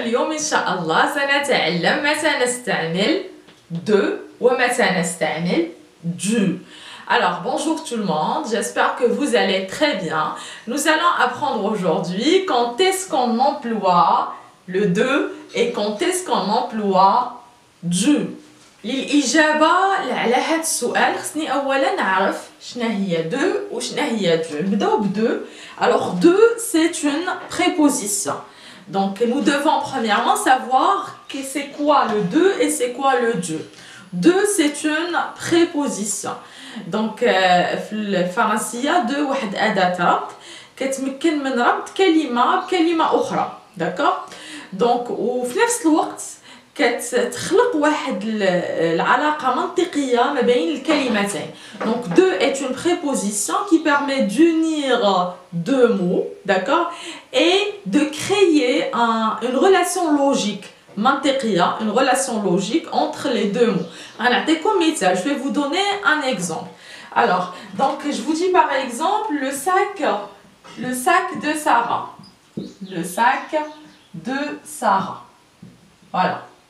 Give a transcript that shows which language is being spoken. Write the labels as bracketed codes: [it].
[ar] اليوم ان شاء الله سنتعلم متى نستعمل دو ومتى نستعمل دو. [fr] Alors bonjour tout le monde, j'espère que vous allez très bien. Nous allons apprendre aujourd'hui quand est-ce qu'on emploie le de et quand est-ce qu'on emploie du. [ar] للإجابة على هذا السؤال خصني أولا نعرف شنو هي دو وشنو هي دو. نبداو بدو. [fr] Alors دو c'est une préposition. Donc nous devons premièrement savoir que c'est quoi le de et c'est quoi le du. دو c'est une préposition. [ar] Donc الفرنسية دو واحد أداة كتمكن من ربط كلمة بكلمة أخرى. [fr] D'accord. [ar] Donc au نفس الوقت كتخلق واحد العلاقة منطقية ما بين الكلمتين. [fr] Donc deux est une préposition qui permet d'unir deux mots, d'accord, et de créer une relation logique منطقية, une relation logique entre les deux mots. Je vais vous donner un exemple. Alors donc je vous dis par exemple le sac de Sarah, le sac de Sarah, voilà.